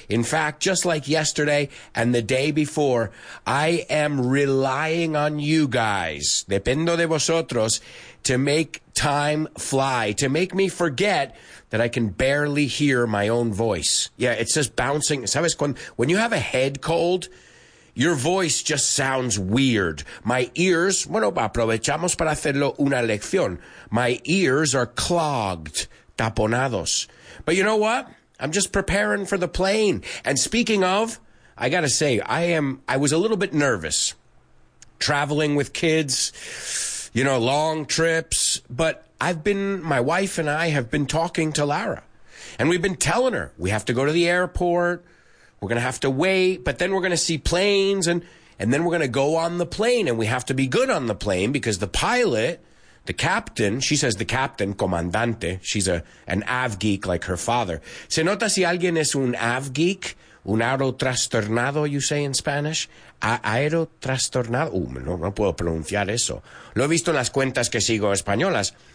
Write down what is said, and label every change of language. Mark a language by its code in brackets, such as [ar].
[en] In fact, just like yesterday and the day before, I am relying on you guys. [es] Dependo de vosotros. [en] To make time fly, to make me forget that I can barely hear my own voice. Yeah, it's just bouncing. [es] ¿Sabes? [en] When you have a head cold, your voice just sounds weird. My ears, [es] bueno, aprovechamos para hacerlo una lección. [en] My ears are clogged, taponados. But you know what? I'm just preparing for the plane. And speaking of, I gotta say, I was a little bit nervous traveling with kids. You know, long trips, but my wife and I have been talking to Lara, and we've been telling her we have to go to the airport, we're going to have to wait, but then we're going to see planes, and then we're going to go on the plane, and we have to be good on the plane because the pilot, The captain, she says the captain, comandante, she's an av geek like her father. [es] ¿Se nota si alguien es un av geek? Un aerotrastornado, [en] you say in Spanish? [es] Aerotrastornado. No puedo pronunciar eso. Lo he visto en las cuentas que sigo españolas.